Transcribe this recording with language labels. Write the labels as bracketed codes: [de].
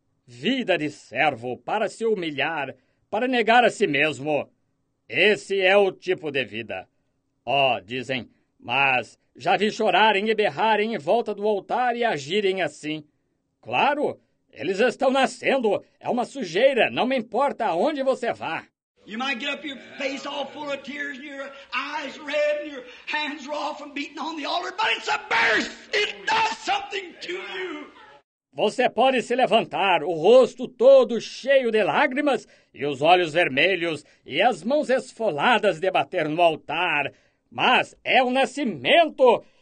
[pt] Vida de servo, para se humilhar, para negar a si mesmo. Esse é o tipo de vida. Oh, dizem, mas já vi chorarem e berrarem em volta do altar e agirem assim. Claro, eles estão nascendo. É uma sujeira, não me importa aonde você vá. [en] You might get up your face all full of tears and your eyes red and your hands raw from beating on the altar, but it's a birth. It does something to you. [pt] Você pode se levantar, o rosto todo cheio de lágrimas e os olhos vermelhos e as mãos esfoladas de bater no altar, mas é o nascimento.